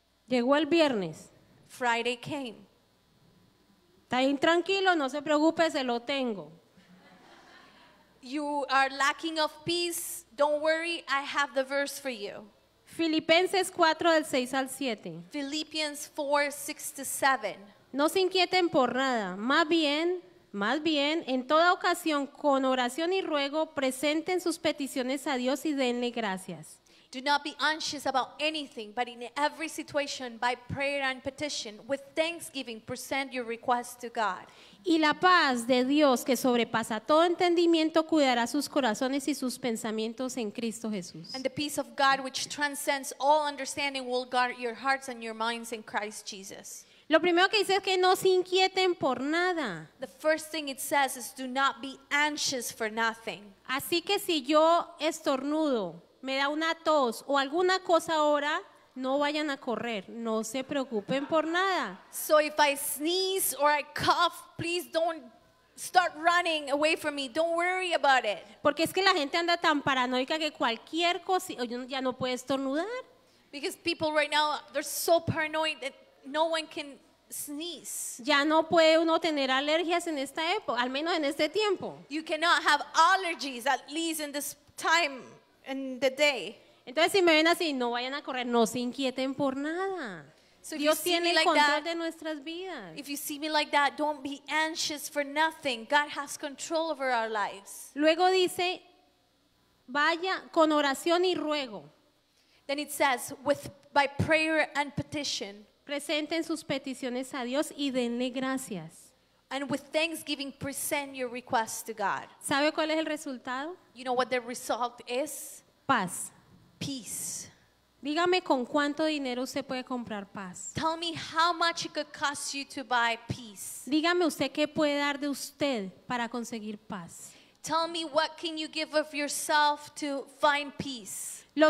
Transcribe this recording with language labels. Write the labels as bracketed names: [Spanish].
[Spanish] Llegó el viernes. [English] Friday came. [Spanish] Está bien tranquilo, no se preocupe, se lo tengo. [English] You are lacking of peace, don't worry, I have the verse for you. [Spanish] Filipenses 4 del 6 al 7. [English] Philippians 4, 6 to 7. [Spanish] No se inquieten por nada, más bien, en toda ocasión, con oración y ruego, presenten sus peticiones a Dios y denle gracias. [English] Do not be anxious about anything, but in every situation, by prayer and petition, with thanksgiving, present your requests to God. [Spanish] Y la paz de Dios, que sobrepasa todo entendimiento, cuidará sus corazones y sus pensamientos en Cristo Jesús. [English] And the peace of God, which transcends all understanding, will guard your hearts and your minds in Christ Jesus. [Spanish] Lo primero que dice es que no se inquieten por nada. [English] The first thing it says is do not be anxious for nothing. [Spanish] Así que si yo estornudo, me da una tos o alguna cosa ahora, no vayan a correr, no se preocupen por nada. [English] So if I sneeze or I cough, please don't start running away from me. Don't worry about it. [Spanish] Porque es que la gente anda tan paranoica que cualquier cosa ya no puede estornudar. [English] Because people right now they're so paranoid that no one can sneeze. [Spanish] Ya no puede uno tener alergias en esta época, al menos en este tiempo. [English] You cannot have allergies, at least in this time in the day. [Spanish] Entonces si me ven así, no vayan a correr, no se inquieten por nada. [English] So [Spanish] Dios tiene [English] like [Spanish] control [English] that, [Spanish] de nuestras vidas. [English] If you see me like that, don't be anxious for nothing. God has control over our lives. [Spanish] Luego dice, vaya con oración y ruego. [English] Then it says, by prayer and petition. [Spanish] Presenten sus peticiones a Dios y denle gracias. [English] And with thanksgiving, present your requests to God. [Spanish] ¿Sabe cuál es el resultado? [English] You know what the result is? [Spanish] Paz. [English] Peace. [Spanish] Dígame con cuánto dinero usted puede comprar paz. [English] Tell me how much it could cost you to buy peace. [Spanish] Dígame usted qué puede dar de usted para conseguir paz. [English] Tell me what can you give of yourself to find peace.